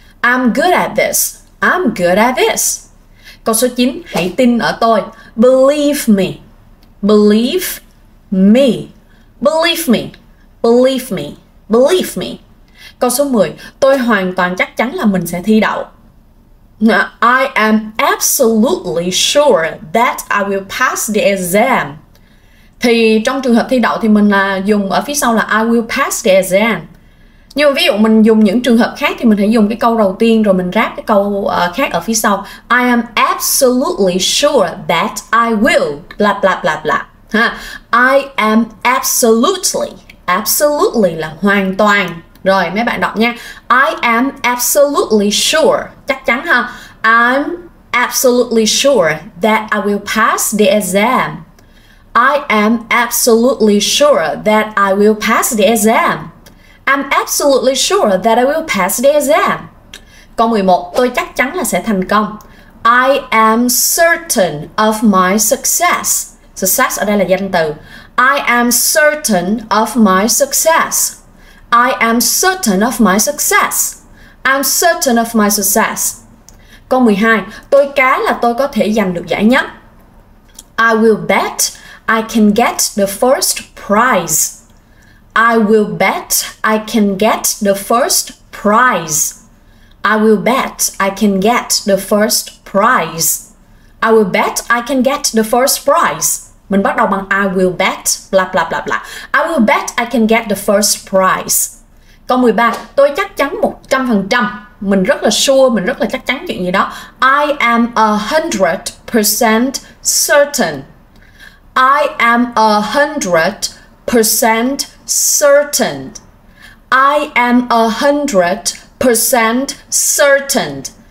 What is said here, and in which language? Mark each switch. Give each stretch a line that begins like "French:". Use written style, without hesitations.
English: I'm good at this. I'm good at this.
Vietnamese: Câu số 9, hãy tin ở tôi.
English: Believe me. Believe me. Believe me. Believe me. Believe me.
Vietnamese: Câu số 10, tôi hoàn toàn chắc chắn là mình sẽ thi đậu.
English: I am absolutely sure that I will pass the exam.
Vietnamese: Thì trong trường hợp thi đậu thì mình là dùng ở phía sau là
English: I will pass the exam.
Vietnamese: Nhưng mà ví dụ mình dùng những trường hợp khác thì mình hãy dùng cái câu đầu tiên rồi mình ráp cái câu khác ở phía sau.
English: I am absolutely sure that I will bla bla bla bla. I am absolutely. Absolutely
Vietnamese: là hoàn toàn. Rồi mấy bạn đọc nha.
English: I am absolutely sure.
Vietnamese: Chắc chắn ha.
English: I'm absolutely sure that I will pass the exam. I am absolutely sure that I will pass the exam. I'm absolutely sure that I will pass the exam.
Vietnamese: Câu 11, tôi chắc chắn là sẽ thành công.
English: I am certain of my success. Success
Vietnamese: ở đây là danh từ.
English: I am certain of my success. I am certain of my success. I'm certain of my success.
Vietnamese: Câu 12, tôi cá là tôi có thể giành được giải nhất.
English: I will bet I can get the first prize. I will bet I can get the first prize. I will bet I can get the first prize. I will bet I can get the first prize.
Vietnamese: Mình bắt đầu bằng
English: I will bet
Vietnamese: bla bla bla bla.
English: I will bet I can get the first prize.
Vietnamese: Câu 13, tôi chắc chắn 100%. Mình rất là sure, mình rất là chắc chắn chuyện gì đó.
English: I am 100% certain. I am 100% certain. I am 100% certain.